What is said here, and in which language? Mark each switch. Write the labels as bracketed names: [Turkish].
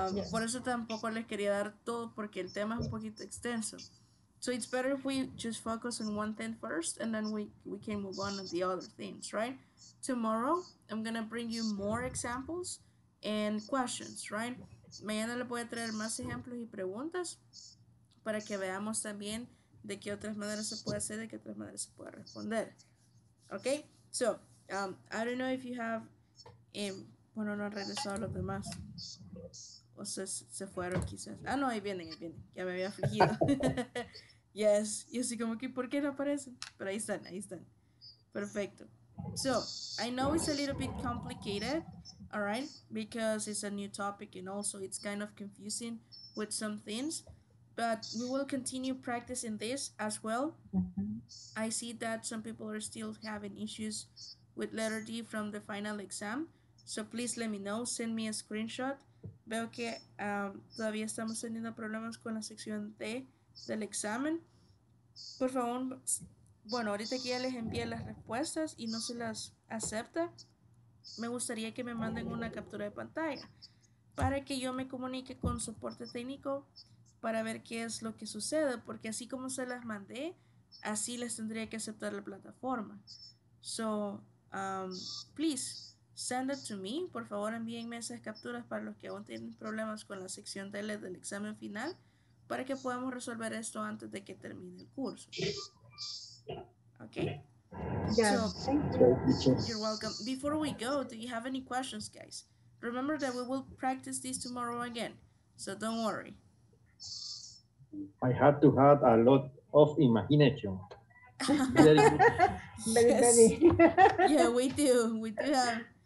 [Spanish] Por eso tampoco les quería dar todo porque el tema es un poquito extenso. [English] So it's better if we just focus on one thing first and then we can move on to the other things, right? Tomorrow, I'm going to bring you more examples and questions, right? [Spanish] Mañana le voy a traer más ejemplos y preguntas para que veamos también de qué otras maneras se puede hacer, de qué otras maneras se puede responder. Okay? [English] So, I don't know if you have, [Spanish] bueno, no han regresado los demás. O se fueron quizás. Ah, no, ahí vienen, ya me había afligido. Yes. Y así como que, ¿por qué no aparecen? Pero ahí están, ahí están. Perfecto. [English] So, I know it's a little bit complicated, all right? Because it's a new topic and also it's kind of confusing with some things. But we will continue practicing this as well. Mm-hmm. I see that some people are still having issues with letter D from the final exam. So please let me know, send me a screenshot. [Spanish] Veo que todavía estamos teniendo problemas con la sección D del examen. Por favor, bueno, ahorita que ya les envíe las respuestas y no se las acepta, me gustaría que me manden una captura de pantalla para que yo me comunique con soporte técnico para ver qué es lo que sucede, porque así como se las mandé, así les tendría que aceptar la plataforma. [English] So, please, send it to me. [Spanish] Por favor, envíenme esas capturas para los que aún tienen problemas con la sección D del examen final, para que podamos resolver esto antes de que termine el curso. [English] Ok. Yes. So, you're welcome. Before we go, do you have any questions, guys? Remember that we will practice this tomorrow again, so don't worry. I had to have a lot of imagination. Yeah, we do have.